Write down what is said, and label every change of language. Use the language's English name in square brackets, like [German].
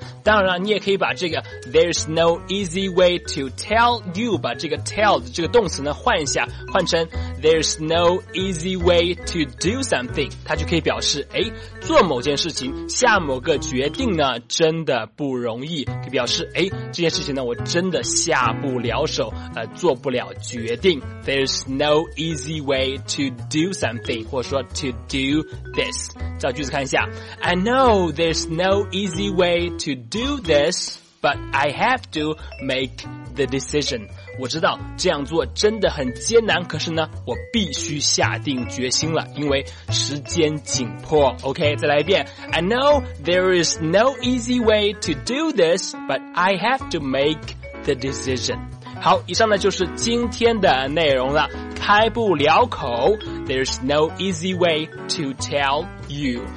[Chinese] 当然了，你也可以把这个 [English] There's no easy way to tell you, [Chinese] 把这个 tell 的这个动词呢换一下，换成 [English] There's no easy way to do something, [Chinese] 它就可以表示诶，做某件事情，下某个决定呢真的不容易，可以表示诶，这件事情呢我真的下不了手，做不了决定。 [English] There's no easy way to do something, [Chinese] 或者说 [English] to do this。 [Chinese] 造句子看一下。 [English] I know there's no easy way to do this, but I have to make the decision. [Chinese] 我知道这样做真的很艰难，可是呢我必须下定决心了，因为时间紧迫。 OK, 再来一遍。 [English] I know there is no easy way to do this, but I have to make the decision. [Chinese] 好，以上呢就是今天的内容了。开不了口， [English] There's no easy way to tell you.